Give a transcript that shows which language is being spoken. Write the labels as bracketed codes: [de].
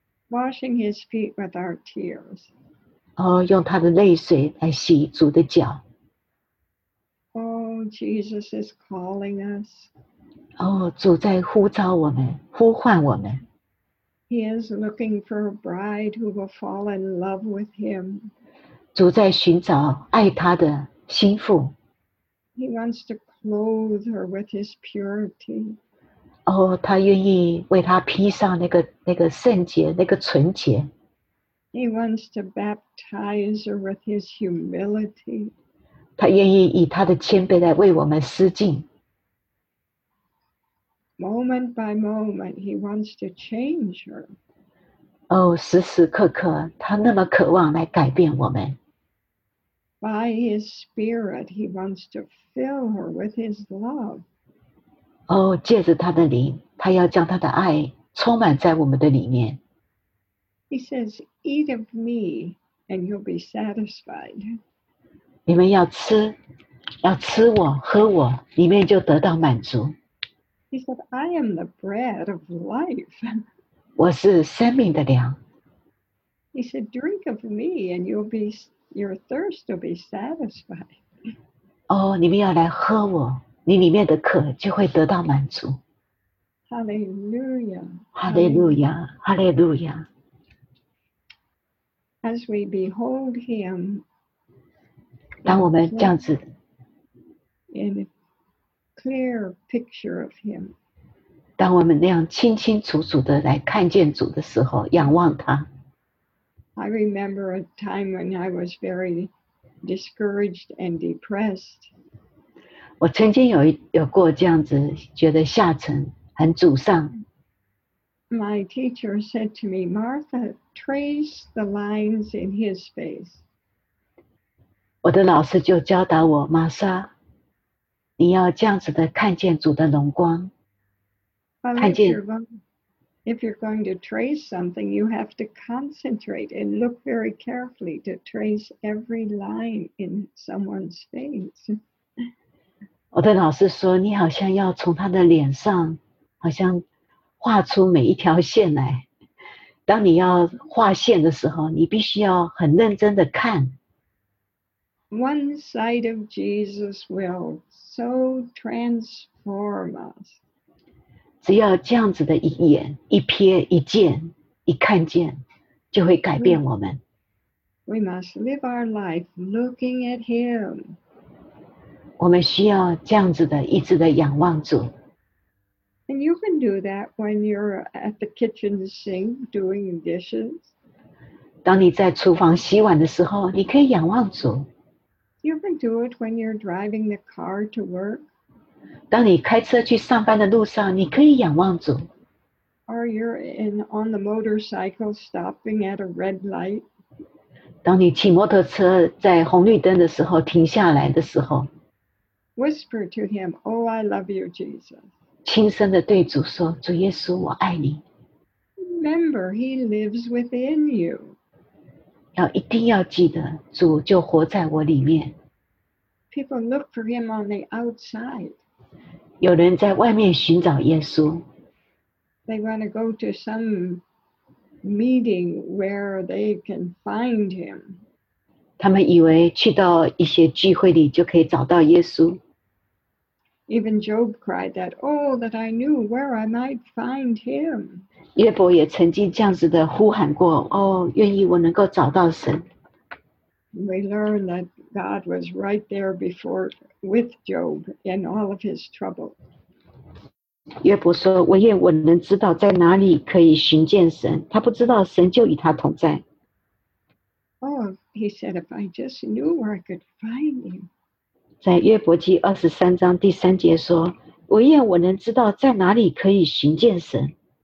[en] Washing his feet with our tears. [zh] 哦，用她的泪水来洗主的脚。 [en] Oh, Jesus is calling us. [zh] 哦，主在呼召我们，呼唤我们。 [en] He is looking for a bride who will fall in love with him. [zh] 主在寻找爱他的心腹。 [en] He wants to clothe her with his purity. [zh] 哦，他愿意为她披上那个圣洁，那个纯洁。 [en] He wants to baptize her with his humility. [zh] 他愿意以他的谦卑来为我们施浸。 [en] Moment by moment, he wants to change her. [zh] 哦，时时刻刻，他那么渴望来改变我们。 [en] By his spirit, he wants to fill her with his love. [zh] 哦，借着他的灵，他要将他的爱充满在我们的里面。 [en] He says, "Eat of me, and you'll be satisfied." [zh] 你们要吃，要吃我，喝我，里面就得到满足。 [en] He said, "I am the bread of life." [zh] 我是生命的粮。 [en] He said, "Drink of me, and your thirst will be satisfied." [zh] 哦，你们要来喝我，你里面的渴就会得到满足。 [en] Hallelujah! Hallelujah! Hallelujah! As we behold Him, [zh] 当我们这样子。 [en] Clear picture of him. [zh] 当我们那样清清楚楚的来看见主的时候，仰望他。 [en] I remember a time when I was very discouraged and depressed. [zh] 我曾经有过这样子，觉得下沉，很沮丧。 [en] My teacher said to me, "Martha, trace the lines in his face." [zh] 我的老师就教导我，玛莎。你要这样子的看见主的荣光，看见。 [en] If you're going to trace something, you have to concentrate and look very carefully to trace every line in someone's face. [zh] 我的老师说，你好像要从他的脸上，好像画出每一条线来。当你要画线的时候，你必须要很认真的看。 [en] One side of Jesus will so transform us. [zh] 只要这样子的一眼、一瞥、一见、一看见，就会改变我们。 [en] We must live our life looking at Him. [zh] 我们需要这样子的一直的仰望主。 [en] And you can do that when you're at the kitchen sink doing dishes. [zh] 当你在厨房洗碗的时候，你可以仰望主。 [en] You can do it when you're driving the car to work. [zh] 当你开车去上班的路上，你可以仰望主。 [en] Or you're in on the motorcycle stopping at a red light. [zh] 当你骑摩托车在红绿灯的时候停下来的时候。 [en] Whisper to him, "Oh, I love you, Jesus." [zh] 轻声地对主说，主耶稣，我爱你。 [en] Remember, he lives within you. [zh] 要一定要记得，主就活在我里面。 [en] People look for him on the outside. [zh] 有人在外面寻找耶稣。 [en] They want to go to some meeting where they can find him. [zh] 他们以为去到一些聚会里就可以找到耶稣。 [en] Even Job cried that, "Oh, that I knew where I might find him." [zh] 约伯也曾经这样子的呼喊过，哦，愿意我能够找到神。 [en] We learn that God was right there before with Job in all of his trouble. [zh] 约伯说，我愿我能知道在哪里可以寻见神，他不知道神就与他同在。 [en] Oh, he said, "If I just knew where I could find him." [zh] 在约伯记二十三章第三节说，我愿我能知道在哪里可以寻见神。